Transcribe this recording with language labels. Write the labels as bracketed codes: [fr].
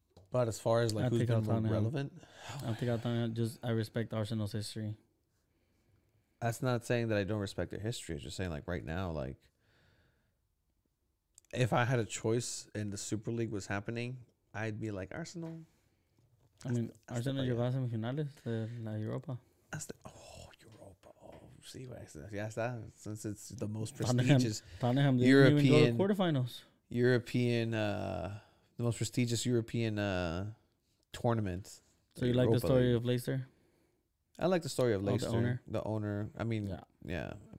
[en] But as far as like who's been more relevant, I respect Arsenal's history. That's not saying that I don't respect their history. It's just saying like right now, like if I had a choice and the Super League was happening, I'd be like Arsenal. I mean, [es] Arsenal llegó a semifinales de la Europa. [en] Europa. Oh, see what I said. Yes, that since it's the most prestigious European quarterfinals. European. The most prestigious European tournament. So you like the story of Leicester? I like the story of Leicester. The owner. I mean, yeah.